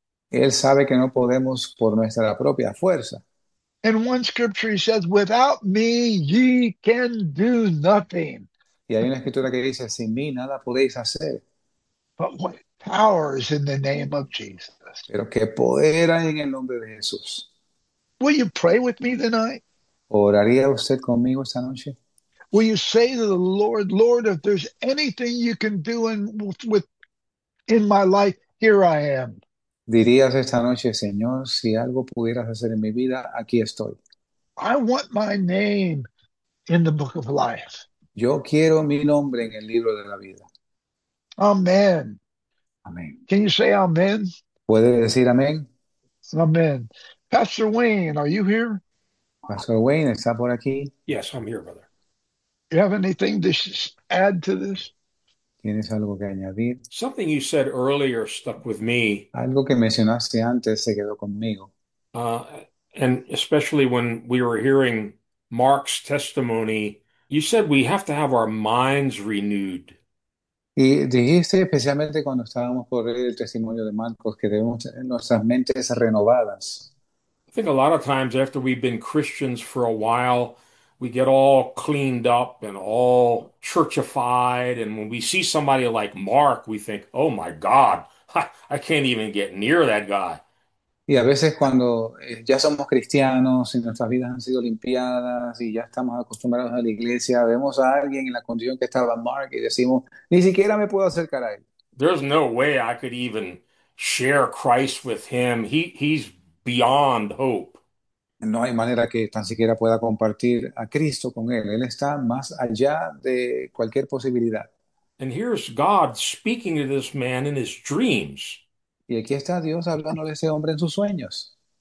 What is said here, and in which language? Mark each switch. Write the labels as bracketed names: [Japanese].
[Spanish] Él sabe que no podemos por nuestra propia fuerza. [English] And one scripture he says, without me, ye can do nothing. [Spanish] Y hay una escritura que dice, sin mí nada podéis hacer. [English] What power is in the name of Jesus? [Spanish] Pero qué poder hay en el nombre de Jesús. [English] Will you pray with me tonight? [Spanish] ¿Oraría usted conmigo esta noche? [English] Will you say to the Lord, Lord, if there's anything you can do in my life, here I am. [Spanish] dirías esta noche, Señor, si algo pudieras hacer en mi vida, aquí estoy. [English] I want my name in the book of life. [Spanish] Yo quiero mi nombre en el libro de la vida. [English] Amen. [Spanish] Amén. [English] Can you say amen? [Spanish] ¿Puede decir amén? [English] Amen. Pastor Wayne, are you here? [Spanish] Pastor Wayne está por aquí. [English] Yes, I'm here, brother. You have anything to add to this? [Spanish] ¿Tienes algo que añadir? [English] Something you said earlier stuck with me. [Spanish] Algo que mencionaste antes se quedó conmigo. [English] And especially when we were hearing Mark's testimony, you said we have to have our minds renewed. [Spanish] Y dijiste especialmente cuando estábamos por el testimonio de Marcos que debemos tener nuestras mentes renovadas. [English] I think a lot of times after we've been Christians for a while, we get all cleaned up and all churchified. And when we see somebody like Mark, we think, oh my God, I can't even get near that guy. [Spanish] Y a veces cuando ya somos cristianos y nuestras vidas han sido limpiadas y ya estamos acostumbrados a la iglesia, vemos a alguien en la condición que estaba Mark y decimos, ni siquiera me puedo acercar a él. [English] There's no way I could even share Christ with him. He's beyond hope. [Spanish] No hay manera que tan siquiera pueda compartir a Cristo con él. Él está más allá de cualquier posibilidad. [English] And here's God speaking to this man in his dreams. [Spanish] Y aquí está Dios hablando de ese hombre en sus sueños.